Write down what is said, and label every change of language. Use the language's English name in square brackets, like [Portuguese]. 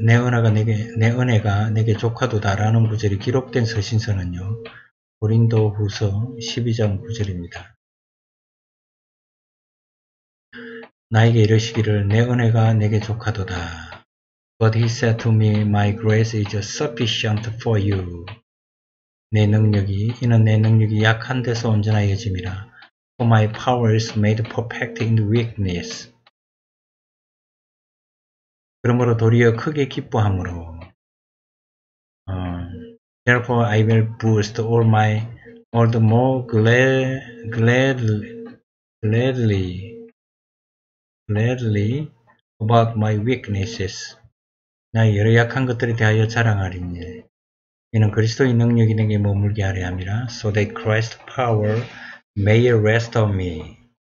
[Korean] 내 은혜가 내게 족하도다라는 구절이 기록된 서신서는요. 고린도후서 12장 9절입니다. 나에게 이르시기를 내 은혜가 내게 족하도다. [English] But he said to me, My grace is sufficient for you. [Korean] 내 능력이 약한 데서 온전하여짐이라. [English] For my power is made perfect in weakness. [Korean] 그러므로 도리어 크게 기뻐함으로 [English] Therefore, I will boast all my all the more gladly about my weaknesses. [Korean] 나의 여러 약한 것들에 대하여 자랑하리니 이는 그리스도의 능력이 내게 머물게 하려 함이라. [English] So that Christ's power may rest on me.